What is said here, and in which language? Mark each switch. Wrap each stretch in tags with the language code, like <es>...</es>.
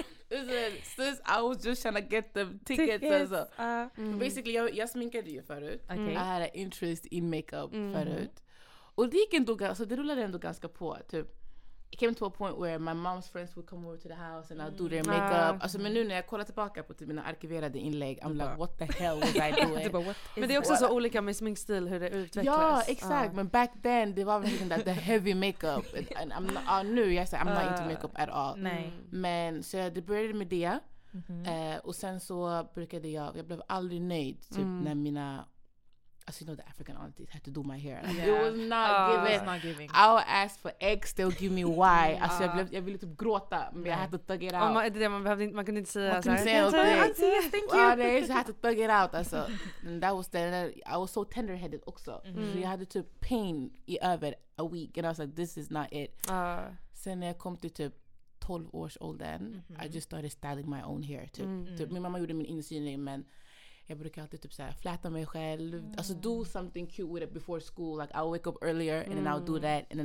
<en>Listen, sis, I was just trying to get the tickets.</en> <sv>Alltså. Basically, jag sminkade ju förut.</sv> <en>Okay. I had an interest in makeup förut.</en> <sv>Och det gick ändå, alltså, det rullade ändå ganska på. Typ.</sv> <en>It came to a point where my mom's friends would come over to the house and I'd do their makeup.</en> <sv>Alltså, men nu när jag kollar tillbaka på mina arkiverade inlägg,</sv> <en>I'm like, what the hell was I doing?</en> <sv>Men det är också så olika med sminkstil, hur det utvecklas. Ja, exakt. Men</sv> <en>back then,</en> <sv>det var verkligen</sv> <en>the heavy makeup. And I'm not, I'm not into makeup at all.</en> <sv>Nej. Men så det började med det. Och sen så brukade jag blev aldrig nöjd typ, när mina</sv> <en>As you know, the African aunties had to do my hair. Like, yeah. It was not giving. I'll ask for X, they'll give me Y.</en> <sv>Alltså, jag ville typ gråta, men jag hade</sv> <en>to thug it out.</en> <sv>Man, det är det man behövde, man kunde inte säga såhär. Man kunde inte säga allt det.</sv> <en>Thank you. Well, they, so I had to thug it out, alltså. And that was then, I was so tender-headed också.</en> <sv>Mm-hmm. Så jag hade typ pain i över</sv> <en>a week. And I was like, this is not it.</en> <sv>Sen när jag kom till typ 12 års åldern, mm-hmm.</sv> <en>I just started styling my own hair.</en> <sv>Typ. Mm-hmm. Typ, min mamma gjorde min insynning, men jag brukar alltid typ såhär fläta mig själv. Mm.</sv> <en>Alltså do something cute with it before school. Like I'll wake up earlier and then I'll do that.</en>